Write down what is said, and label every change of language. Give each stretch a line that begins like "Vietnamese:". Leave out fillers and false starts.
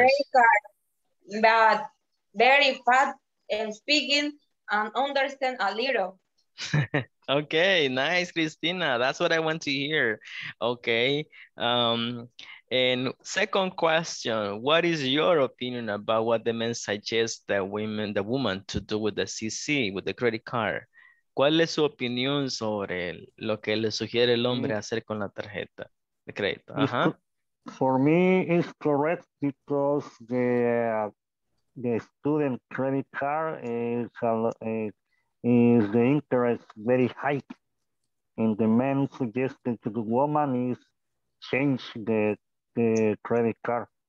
English: The credit card, but very fast and speaking and understand a little. Okay, nice, Cristina. That's what I want to hear. Okay. And second question, what is your opinion about what the men suggest the woman to do with the CC, with the credit card?
Spanish: ¿Cuál es su opinión sobre lo que le sugiere el hombre hacer con la tarjeta de crédito? Ajá.
English: For me, it's correct because the student credit card is the interest very high. And the man suggested to the woman is change the credit card.